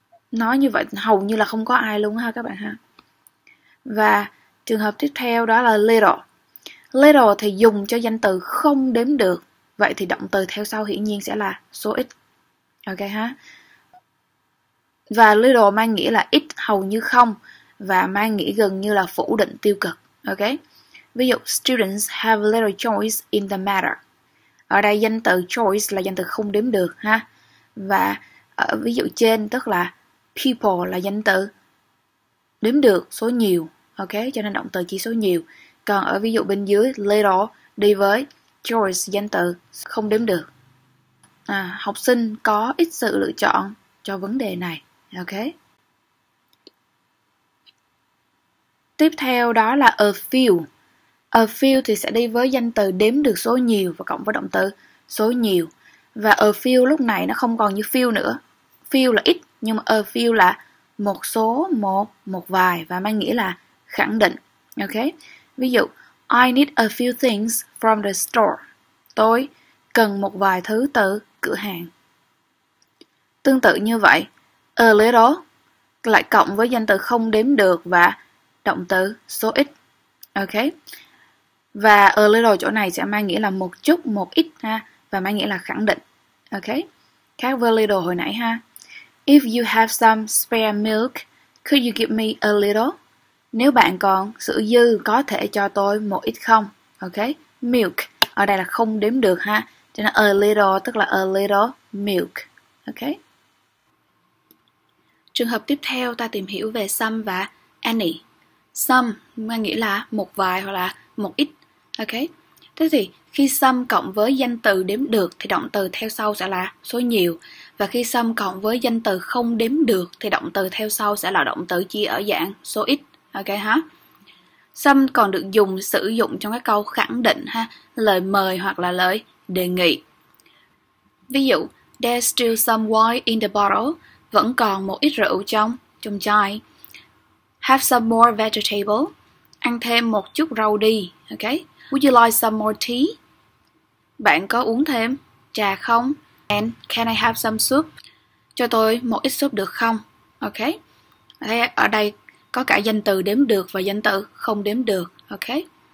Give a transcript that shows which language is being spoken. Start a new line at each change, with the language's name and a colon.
Vietnamese: Nói như vậy hầu như là không có ai luôn ha các bạn ha. Và trường hợp tiếp theo đó là little. Little thì dùng cho danh từ không đếm được. Vậy thì động từ theo sau hiển nhiên sẽ là số ít. Ok ha. Và little mang nghĩa là ít, hầu như không. Và mang nghĩa gần như là phủ định tiêu cực. Ok. Ví dụ,
English: students have little choice in the matter.
Vietnamese: Ở đây danh từ choice là danh từ không đếm được ha. Và ở ví dụ trên, tức là people là danh từ đếm được số nhiều. Ok, cho nên động từ chỉ số nhiều. Còn ở ví dụ bên dưới, little đi với choice, danh từ không đếm được. À, học sinh có ít sự lựa chọn cho vấn đề này. Ok. Tiếp theo đó là a few. A few thì sẽ đi với danh từ đếm được số nhiều và cộng với động từ số nhiều. Và a few lúc này nó không còn như few nữa. Few là ít, nhưng mà a few là một số, một vài và mang nghĩa là khẳng định. Okay. Ví dụ,
English: I need a few things from the store.
Vietnamese: Tôi cần một vài thứ từ cửa hàng. Tương tự như vậy, a little lại cộng với danh từ không đếm được và động từ số ít. Okay. Và a little chỗ này sẽ mang nghĩa là một chút, một ít ha, và mang nghĩa là khẳng định. Okay. Khác với little hồi nãy ha.
English: If you have some spare milk, could you give me a little?
Vietnamese: Nếu bạn còn sữa dư, có thể cho tôi một ít không? Okay. Milk ở đây là không đếm được ha, cho nên a little tức là a little milk. Okay. Trường hợp tiếp theo ta tìm hiểu về some và any. Some mang nghĩa là một vài hoặc là một ít. Okay. Thế thì khi some cộng với danh từ đếm được thì động từ theo sau sẽ là số nhiều. Và khi some cộng với danh từ không đếm được thì động từ theo sau sẽ là động từ chia ở dạng số ít. Ok ha? Some còn được dùng sử dụng trong các câu khẳng định ha, lời mời hoặc là lời đề nghị. Ví dụ,
English: there's still some wine in the bottle.
Vietnamese: Vẫn còn một ít rượu trong chai.
English: Have some more vegetables.
Vietnamese: Ăn thêm một chút rau đi. Okay.
English: Would you like some more tea?
Vietnamese: Bạn có uống thêm trà không?
English: And can I have some soup?
Vietnamese: Cho tôi một ít súp được không? Okay. Ở đây có cả danh từ đếm được và danh từ không đếm được. Okay.